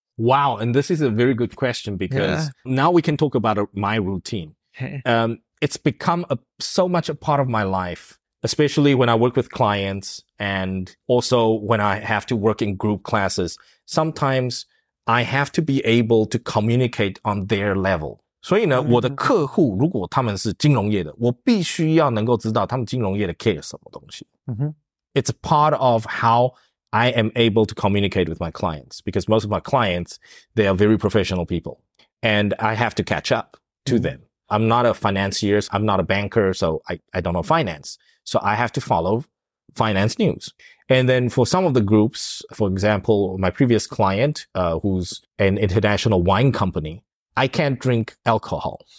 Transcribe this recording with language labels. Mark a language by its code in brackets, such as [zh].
[en] Wow, and this is a very good question because now we can talk about my routine. It's become so much a part of my life, especially when I work with clients and also when I have to work in group classes. Sometimes I have to be able to communicate on their level. [zh] 所以呢、我的客户如果他们是金融业的，我必须要能够知道他们金融业的 care 什么东西。 [en] It's a part of how I am able to communicate with my clients, because most of my clients, they are very professional people and I have to catch up to them. I'm not a financier, I'm not a banker, so I don't know finance. So I have to follow finance news. And then for some of the groups, for example, my previous client, who's an international wine company, I can't drink alcohol.